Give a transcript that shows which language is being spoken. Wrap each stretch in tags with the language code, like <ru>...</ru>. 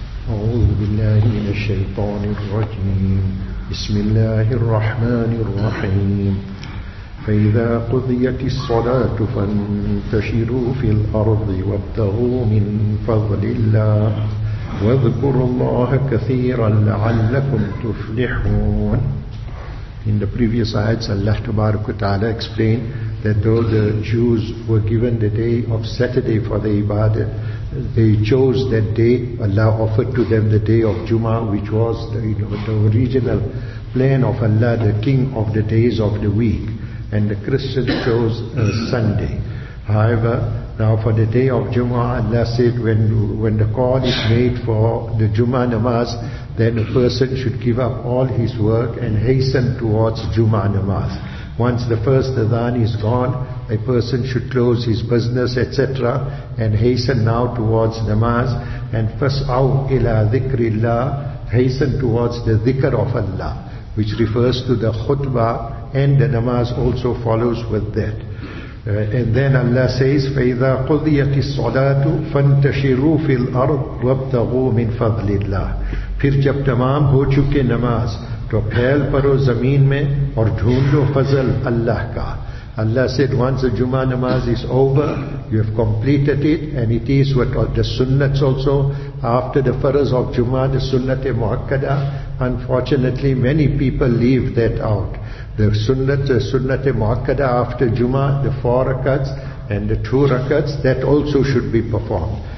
<ar>أعوذ بالله من الشيطان الرجيم. بسم الله الرحمن الرحيم. فإذا قضيت الصلاة فانتشروا في الأرض وابتغوا من فضل الله واذكروا الله كثيرا لعلكم تفلحون.</ar> <en>In the previous ayats, Allah Tabarak wa Ta'ala explained that though the Jews were given the day of Saturday for the ibadah, they chose that day. Allah offered to them the day of Jummah, which was the original plan of Allah, the king of the days of the week. And the Christians chose Sunday. However, now for the day of Jummah, Allah said when the call is made for the Jummah namaz, then a person should give up all his work and hasten towards Jummah namaz. Once the first adhan is gone, a person should close his business, etc., and hasten now towards namaz. And fas'au ila dhikrillah, hasten towards the dhikr of Allah, which refers to the khutbah, and the namaz also follows with that. And then Allah says,</en> <ar>فَإِذَا قُضِيَتِ الصَّلَاةُ فَانْتَشِرُوا فِي الْأَرْضِ وَابْتَغُوا مِنْ فَضْلِ اللَّهِ.</ar> <ur>پھر جب تمام ہو چکے نماز تو پھیل پرو زمین میں اور ڈھونڈو فضل اللہ کا.</ur> <en>Allah said, once the Jummah namaz is over, you have completed it, and it is what the sunnats also, after the faraz of Jummah, the sunnat-e muakkada. Unfortunately, many people leave that out. The sunnat-e muakkada after Jummah, the four rakats and the two rakats, that also should be performed.</en>